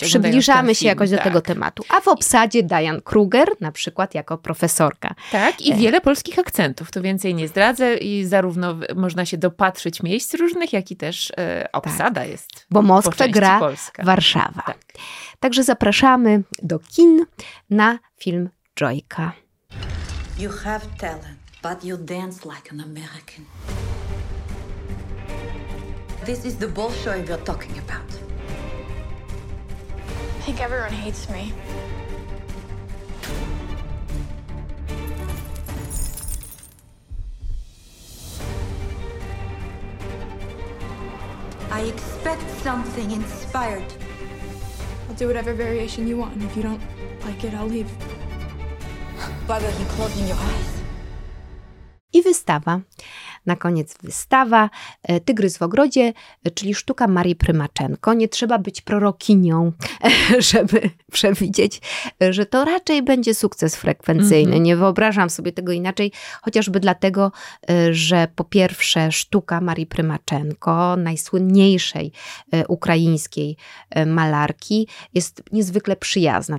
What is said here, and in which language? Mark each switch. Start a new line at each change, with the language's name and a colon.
Polish: Tak, przybliżamy się jakoś do tego tematu. A w obsadzie Diane Kruger, na przykład jako profesorka. Tak, i wiele polskich akcentów, to więc nie zdradzę i zarówno można się dopatrzyć miejsc różnych, jak i też obsada, tak, jest. Bo Moskwę gra Polska. Warszawa. Tak. Także zapraszamy do kin na film Joyka.
English: You have talent, but you dance like an American. This is the Bolshoi we're talking about. I think everyone hates me. I expect something inspired. I'll do whatever variation you want, and if you don't like it, I'll leave. Why don't you close your eyes?
Polish: I wystawa. Na koniec wystawa Tygrys w ogrodzie, czyli sztuka Marii Prymaczenko. Nie trzeba być prorokinią, żeby przewidzieć, że to raczej będzie sukces frekwencyjny. Mm-hmm. Nie wyobrażam sobie tego inaczej, chociażby dlatego, że po pierwsze sztuka Marii Prymaczenko, najsłynniejszej ukraińskiej malarki, jest niezwykle przyjazna.